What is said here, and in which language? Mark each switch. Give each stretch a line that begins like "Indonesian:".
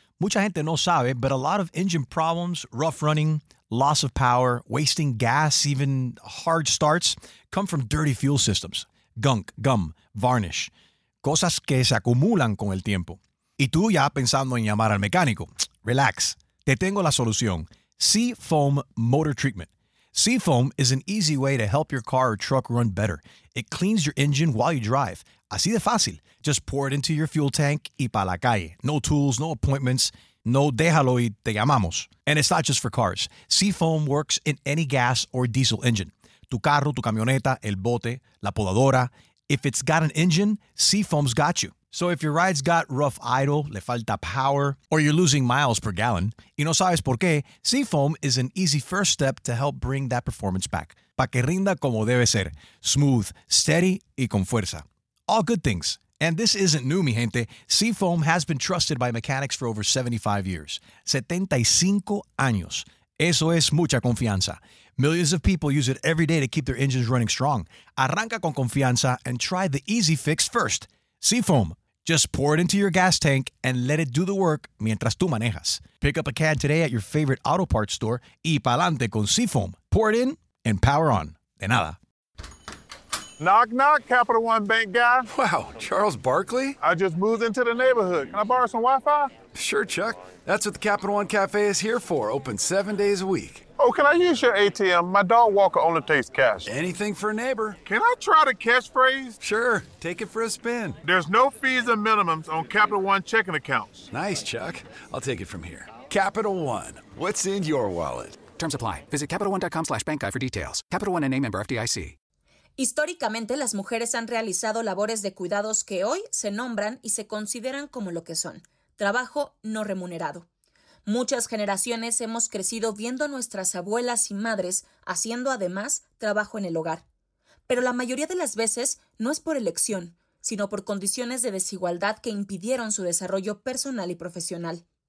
Spanish: Mucha gente no sabe,
English: but a lot of engine problems, rough running, loss of power, wasting gas, even hard starts, come from dirty fuel systems. Gunk, gum, varnish.
Spanish: Cosas que se acumulan con el tiempo. Y tú ya pensando en llamar al mecánico. Relax. Te tengo la solución. Seafoam Motor Treatment.
English: Seafoam is an easy way to help your car or truck run better. It cleans your engine while you drive.
Spanish: Así de fácil.
English: Just pour it into your fuel tank
Spanish: y pa' la calle.
English: No tools, no appointments, no
Spanish: déjalo y te llamamos.
English: And it's not just for cars. Seafoam works in any gas or diesel engine.
Spanish: Tu carro, tu camioneta, el bote, la podadora.
English: If it's got an engine, Seafoam's got you. So if your ride's got rough idle,
Spanish: le falta
English: power, or you're losing miles per gallon,
Spanish: y no sabes por qué,
English: Seafoam is an easy first step to help bring that performance back.
Spanish: Pa' que rinda como debe ser.
English: Smooth, steady,
Spanish: y con fuerza.
English: All good things. And this isn't new,
Spanish: mi gente.
English: Seafoam has been trusted by mechanics for over 75 years.
Spanish: 75 años. Eso es mucha confianza.
English: Millions of people use it every day to keep their engines running strong.
Spanish: Arranca con confianza
English: and try the easy fix first. Seafoam. Just pour it into your gas tank and let it do the work
Spanish: mientras tú manejas.
English: Pick up a can today at your favorite auto parts store
Spanish: y pa'lante
English: con Seafoam. Pour it in and power on.
Spanish: De nada.
English: Knock, knock, Capital One Bank guy. Wow, Charles Barkley? I just moved into the neighborhood. Can I borrow some Wi-Fi? Sure, Chuck. That's what the Capital One Cafe is here for, open 7 days a week. Oh, can I use your ATM? My dog Walker only takes cash. Anything for a neighbor. Can I try the cash phrase? Sure, take it for a spin. There's no fees or minimums on Capital One checking accounts. Nice, Chuck. I'll take it from here. Capital One, what's in your wallet? Terms apply. Visit CapitalOne.com/BankGuy for details. Capital One and name member FDIC.
Spanish: Históricamente, las mujeres han realizado labores de cuidados que hoy se nombran y se consideran como lo que son, trabajo no remunerado. Muchas generaciones hemos crecido viendo a nuestras abuelas y madres haciendo además trabajo en el hogar. Pero la mayoría de las veces no es por elección, sino por condiciones de desigualdad que impidieron su desarrollo personal y profesional.